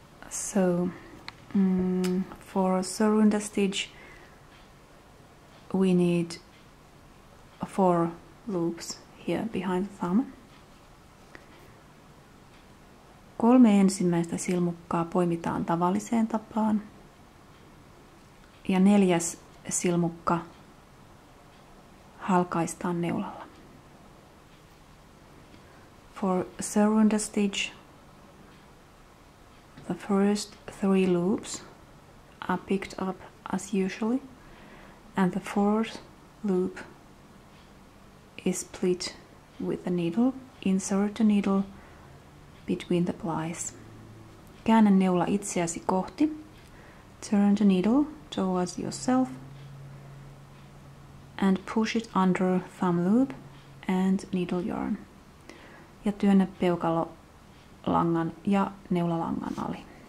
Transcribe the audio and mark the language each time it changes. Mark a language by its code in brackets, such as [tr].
[en] So, for a Sorunda stitch, we need 4 loops here behind the thumb. [fi] 3 ensimmäistä silmukkaa poimitaan tavalliseen tapaan. Ja 4. silmukka halkaistaan neulalla. [en] For Sorunda stitch, the first 3 loops are picked up as usually, and the 4th loop is split with a needle. Insert a needle between the plies. [fi] Käännä neula itseäsi kohti. [en] Turn the needle towards yourself and push it under thumb loop and needle yarn. [fi] Ja työnnä peukalo langan ja neulalangan ali.